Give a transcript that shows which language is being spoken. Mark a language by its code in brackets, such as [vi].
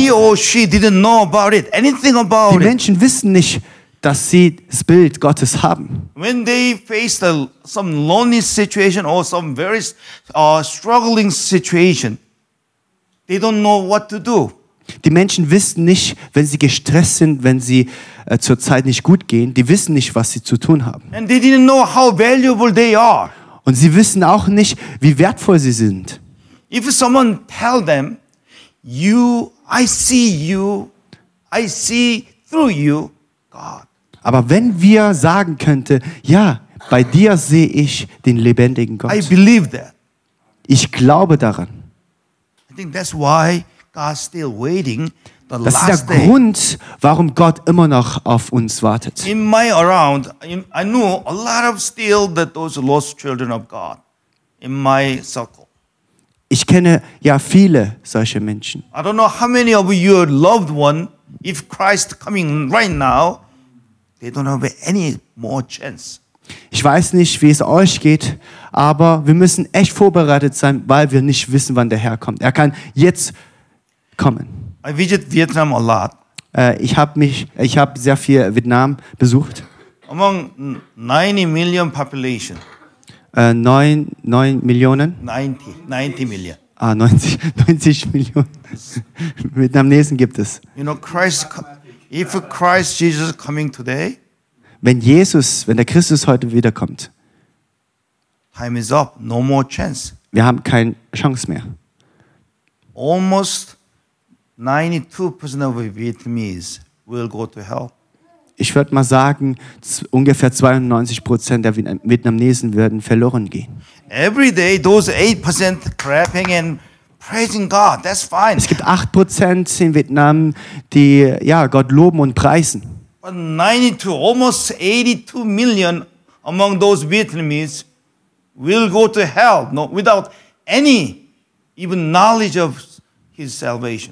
[en] He or she didn't know about it, anything about it. [de] Die Menschen wissen nicht, dass sie das Bild Gottes haben. [en] When they face some lonely situation or some very struggling situation, they don't know what to do. [de] Die Menschen wissen nicht, wenn sie gestresst sind, wenn sie zurzeit nicht gut gehen, die wissen nicht, was sie zu tun haben. [en] And they didn't know how valuable they are. [de] Und sie wissen auch nicht, wie wertvoll sie sind. [en] If someone tell them, I see you, I see through you, God. [de] Aber wenn wir sagen könnten, ja, bei dir sehe ich den lebendigen Gott. [en] I believe that. [de] Ich glaube daran. [en] I think that's why God still waiting the last day. [de] Das ist der Grund, warum Gott immer noch auf uns wartet. [en] In my around, I know a lot of still that those lost children of God in my circle. [de] Ich kenne ja viele solche Menschen. [en] I don't know how many of your loved one, if Christ coming right now, they don't have any more chance. [de] Ich weiß nicht, wie es euch geht, aber wir müssen echt vorbereitet sein, weil wir nicht wissen, wann der Herr kommt. Er kann jetzt kommen. [en] I visit Vietnam a lot. [de] Ich habe sehr viel Vietnam besucht. [en] Among 90 million population. [de] 90 Millionen. Vietnamesen gibt es. [en] You know, Christ, if Christ Jesus coming today, [de] wenn der Christus heute wiederkommt, [en] time is up, no more chance. [de] Wir haben keine Chance mehr. [en] Almost 92% of Vietnamese will go to hell. [de] Ich würde mal sagen, ungefähr 92% der Vietnamesen werden verloren gehen. [en] Every day those 8% clapping and praising God, that's fine. [de] Es gibt 8% in Vietnam, die ja Gott loben und preisen. [en] But 92, almost 82 million among those Vietnamese will go to hell, no, without any even knowledge of His salvation.